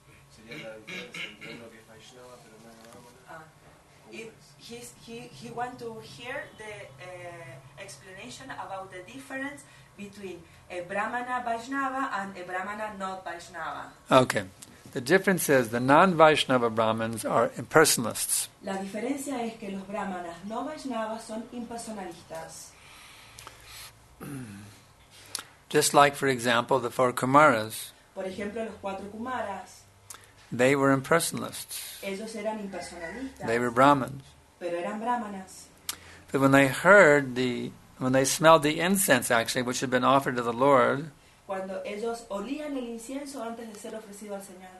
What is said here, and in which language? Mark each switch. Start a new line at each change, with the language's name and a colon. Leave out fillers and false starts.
Spanish: Sería la diferencia entre lo que es Vaishnava pero no Brahmana.
English: He want to hear the explanation about the difference between a Brahmana Vaishnava and a Brahmana not Vaishnava. Okay. The difference is the non-Vaishnava Brahmins are impersonalists.
Spanish: La diferencia es que los Brahmanas no Vaishnavas son impersonalistas.
English: Just like, for example, the four Kumaras.
Spanish: Por ejemplo, los cuatro Kumaras.
English: They were impersonalists.
Spanish: Ellos eran impersonalistas.
English: They were Brahmins.
Spanish: Pero eran brahmanas.
English: But when they smelled the incense, actually, which had been offered to the Lord,
Spanish: cuando ellos olían el incienso antes de ser ofrecido al Señor.